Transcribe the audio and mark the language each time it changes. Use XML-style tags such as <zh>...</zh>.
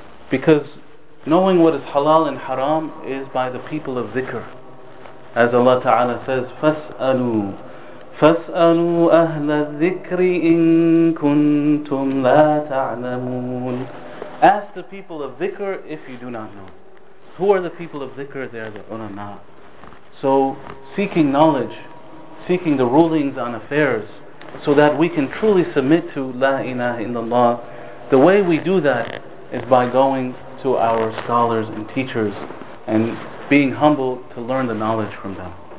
<en>Because knowing what is halal and haram is by the people of dhikr. As Allah Ta'ala says,</en> <ar>فَاسْأَلُوا فاسألوا أهل الذكر إن كنتم لا تعلمون.</ar> <en>Ask the people of dhikr if you do not know. Who are the people of dhikr? They are the ulama. So seeking knowledge, seeking the rulings on affairs, so that we can truly submit to La ilaha illallah. The way we do that is by going to our scholars and teachers and being humble to learn the knowledge from them.</en>